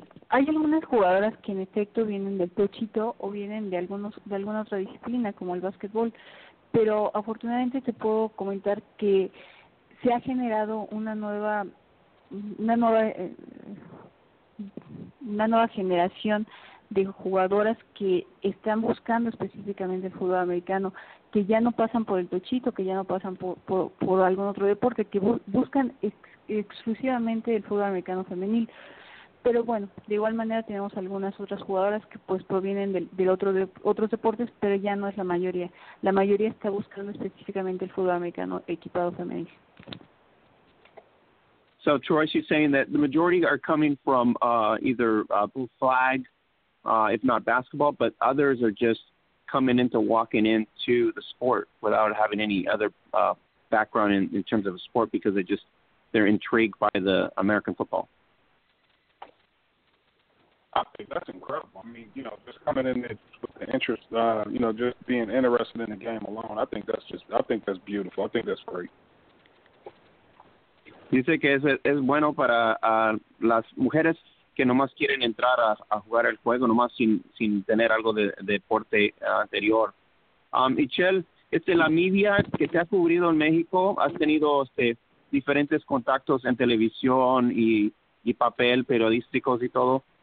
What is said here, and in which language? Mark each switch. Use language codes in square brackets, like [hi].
[es] Hay algunas jugadoras que en efecto vienen del Tochito o vienen de alguna otra disciplina como el básquetbol, pero afortunadamente te puedo comentar que se ha generado una nueva generación de jugadoras que están buscando específicamente el fútbol americano, que ya no pasan por el Tochito, que ya no pasan por algún otro deporte, que buscan exclusivamente el fútbol americano femenil. Pero bueno, de igual manera tenemos algunas otras jugadoras que pues provienen de otros deportes, pero ya no es la mayoría. La mayoría está buscando específicamente el fútbol americano equipado femenil. [en] So Troy, she's saying that the majority are coming from either blue flag, if not basketball, but others are just coming into walking into the sport without having any other background in terms of a sport, because they're intrigued by the American football. I think that's incredible. I mean, just coming in there with the interest, just being interested in the game alone, I think that's beautiful. I think that's great. [es] Dice que es bueno para las mujeres que nomás quieren entrar a jugar el juego, nomás sin tener algo de deporte anterior. Michelle, la media que te ha cubrido en México, has tenido diferentes contactos en televisión y papel, periodísticos y todo.